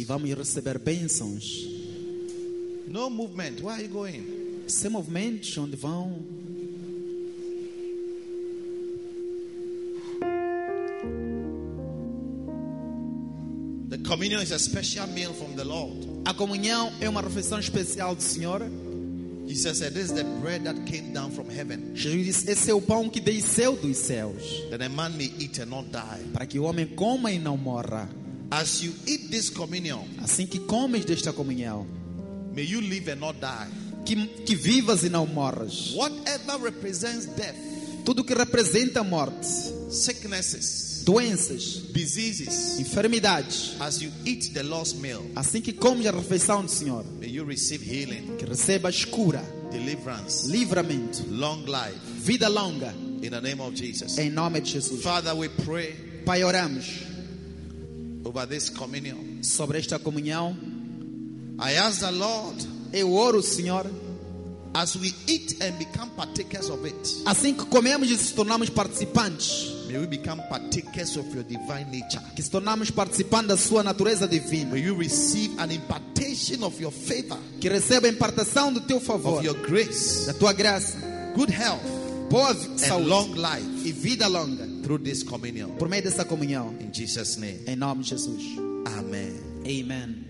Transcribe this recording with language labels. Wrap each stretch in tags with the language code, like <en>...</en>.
<pt>E vamos receber bênçãos.</pt> <en>No movement. Where are you going?</en> <pt>Sem movimentos, onde vão?</pt> <en>Communion is a special meal from the Lord.</en> <pt>A comunhão é uma refeição especial do Senhor.</pt> <en>Jesus said, "This is the bread that came down from heaven."</en> <pt>Jesus disse, esse é o pão que desceu dos céus.</pt> <en>That a man may eat and not die.</en> <pt>Para que o homem coma e não morra.</pt> <en>As you eat this communion,</en> <pt>assim que comes desta comunhão,</pt> <en>may you live and not die.</en> <pt>Que vivas e não morras.</pt> <en>Whatever represents death,</en> <pt>tudo que representa morte,</pt> <en>sicknesses,</en> <pt>doenças,</pt> <en>diseases,</en> <pt>enfermidades,</pt> <en>as you eat the Lord's meal,</en> <pt>assim que comes a refeição do Senhor,</pt> <en>may you receive healing,</en> <pt>que recebas cura,</pt> <en>deliverance,</en> <pt>livramento,</pt> <en>long life,</en> <pt>vida longa,</pt> <en>in the name of Jesus,</en> <pt>em nome de Jesus.</pt> <en>Father, we pray,</en> <pt>Pai, oramos</pt> <en>over this communion,</en> <pt>sobre esta comunhão.</pt> <en>I ask the Lord,</en> <pt>eu oro, Senhor,</pt> <en>as we eat and become partakers of it,</en> <pt>assim que comemos e nos tornamos participantes,</pt> <en>may we become partakers of your divine nature,</en> <pt>que nos tornamos participantes da sua natureza divina.</pt> <en>May you receive an impartation of your favor,</en> <pt>que receba a impartação do teu favor,</pt> <en>of your grace,</en> <pt>da tua graça,</pt> <en>good health,</en> <pt>boa saúde,</pt> <en>and long life,</en> <pt>e vida longa,</pt> <en>through this communion,</en> <pt>por meio dessa comunhão,</pt> <en>in Jesus' name,</en> <pt>em nome de Jesus.</pt> <en>Amen.</en> <pt>Amen.</pt>